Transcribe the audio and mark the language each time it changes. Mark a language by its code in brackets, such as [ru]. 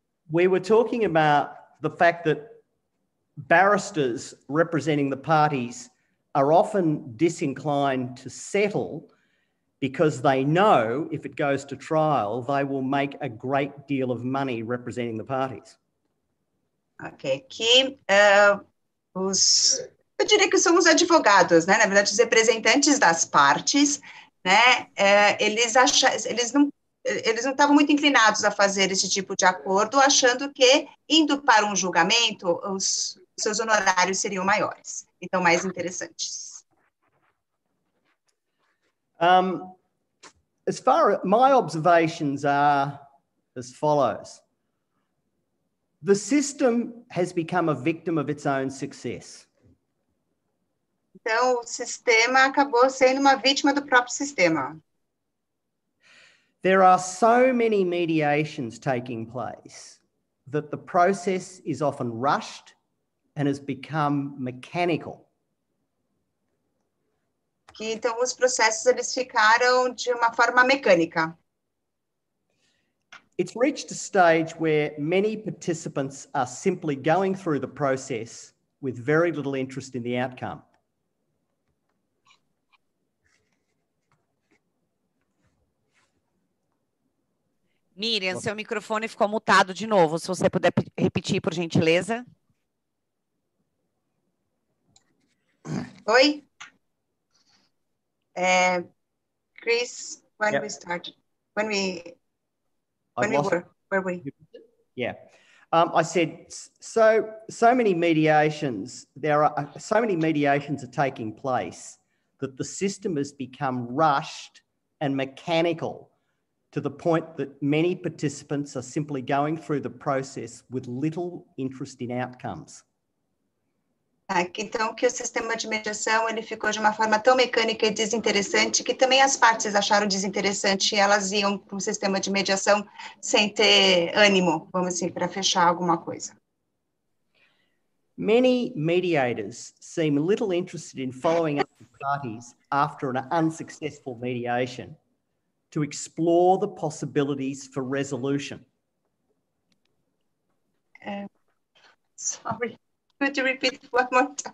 [en] We were talking about the fact that barristers representing the parties are often disinclined to settle because they know if it goes to trial, they will make a great deal of money representing the parties. [pt] Okay, eu diria que são os advogados, né? Na verdade, os representantes das partes, né? Eles não estavam muito inclinados a fazer esse tipo de acordo, achando que indo para um julgamento, seus honorários seriam maiores, então mais interessantes. [en] As far as my observations are as follows. The system has become a victim of its own success. [pt] Então, o sistema acabou sendo uma vítima do próprio sistema. [en] There are so many mediations taking place that the process is often rushed and has become mechanical. [pt] Que então os processos eles ficaram de uma forma mecânica. [en] It's reached a stage where many participants are simply going through the process with very little interest in the outcome. [pt] Miriam, seu microfone ficou mutado de novo. Se você puder repetir, por gentileza. Oi? [en] Chris, when we started? When we When we were we? Yeah. I said, so many mediations are taking place that the system has become rushed and mechanical to the point that many participants are simply going through the process with little interest in outcomes. [pt] Então, que o sistema de mediação ele ficou de uma forma tão mecânica e desinteressante que também as partes acharam desinteressante e elas iam para um sistema de mediação sem ter ânimo, vamos dizer, para fechar alguma coisa. [en] Many mediators seem little interested in following up the parties after an unsuccessful mediation to explore the possibilities for resolution. Sorry. Could you repeat one more time?